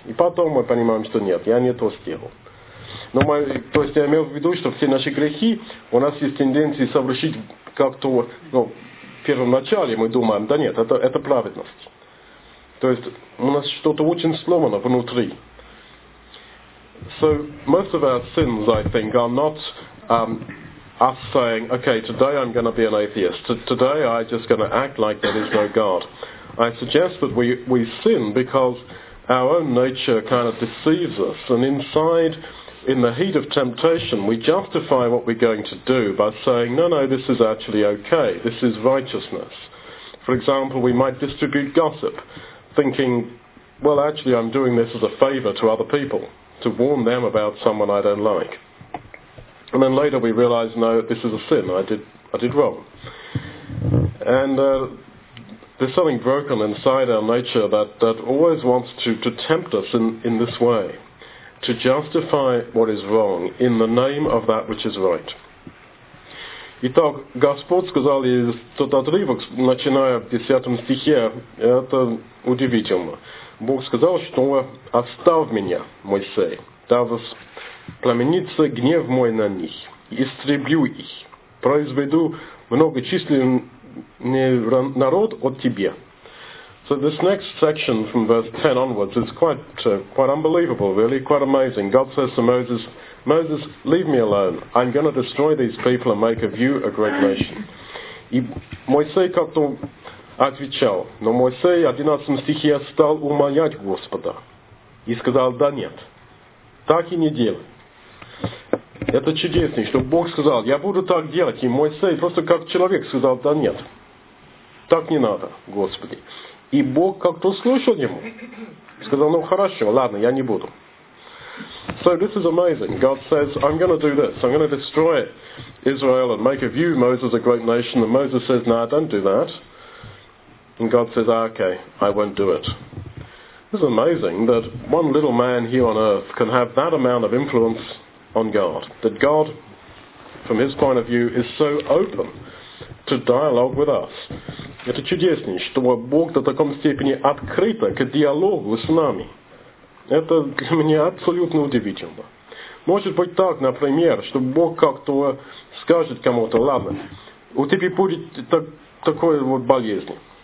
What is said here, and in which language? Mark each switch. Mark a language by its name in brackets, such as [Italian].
[Russian] И потом мы понимаем, что нет, я не то сделал. Но мы, то есть я имел в виду, что все наши грехи, у нас есть тенденция совершить как-то, ну, в первом начале мы думаем, да нет, это праведность. То есть у нас что-то очень сломано внутри. [English] So most of our sins, I think, are not us saying, okay, today I'm going to be an atheist. Today I'm just going to act like there is no God. I suggest that we sin because our own nature kind of deceives us, and inside, in the heat of temptation, we justify what we're going to do by saying, no, this is actually okay, this is righteousness. For example, we might distribute gossip, thinking, well, actually, I'm doing this as a favor to other people, to warn them about someone I don't like. And then later we realize, no, this is a sin, I did wrong. And there's something broken inside our nature that always wants to tempt us in this way. To justify what is wrong in the name of that which is right. [Russian] Итак, Господь сказал, и тот отрывок, начиная в 10 стихе, это удивительно. Бог сказал, что «Оставь меня, Моисей, да воспламенится гнев мой на них, истреблю их, произведу многочисленный народ от тебя». [English] So this next section from verse 10 onwards is quite unbelievable, really, quite amazing. God says to Moses, leave me alone. I'm going to destroy these people and make of you a great nation. [Russian] И Моисей как-то отвечал, но Моисей в 11 стихе стал умолять Господа и сказал, да нет, так и не делай. Это чудесно, что Бог сказал, я буду так делать, и Моисей просто как человек сказал, да нет, так не надо, Господи. И Бог как-то слушал ему. Сказал, ну хорошо, ладно, я не буду. [English] So this is amazing. God says, I'm going to do this. I'm going to destroy Israel and make of you, Moses, a great nation. And Moses says, no, don't do that. And God says, okay, I won't do it. This is amazing that one little man here on earth can have that amount of influence on God. That God, from his point of view, is so open to dialogue with us. [Russian] Это чудесно, что Бог до таком степени открыт к диалогу с нами. Это для меня абсолютно удивительно. Может быть так, например, что Бог как-то скажет кому-то, ладно, у тебя будет такой вот болезнь.